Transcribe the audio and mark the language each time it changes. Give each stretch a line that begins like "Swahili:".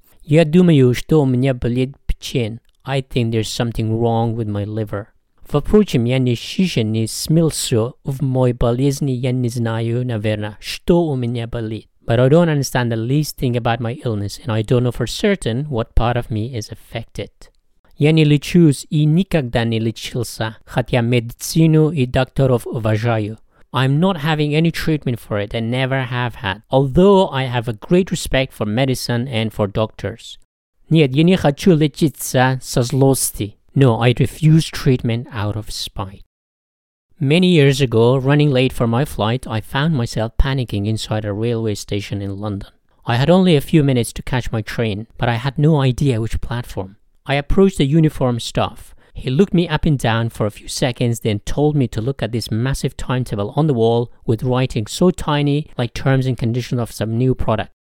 Russian: Я думаю, что у меня болит печень.
English: I think there's something wrong with my liver.
Russian: Впрочем, я не ощущаю ни смысла в моей болезни, я не знаю, наверное, что у меня болит.
English: But I don't understand the least thing about my illness, and I don't know for certain what part of me is affected.
Russian: Я не лечусь и никогда не лечился, хотя медицину и докторов уважаю.
English: I'm not having any treatment for it and never have had, although I have a great respect for medicine and for doctors.
Russian: Нет, я не хочу лечиться со злости.
English: No, I refuse treatment out of spite. Many years ago, running late for my flight, I found myself panicking inside a railway station in London. I had only a few minutes to catch my train, but I had no idea which platform. I approached the uniformed staff. He looked me up and down for a few seconds, then told me to look at this massive timetable on the wall with writing so tiny like terms and conditions of some new product.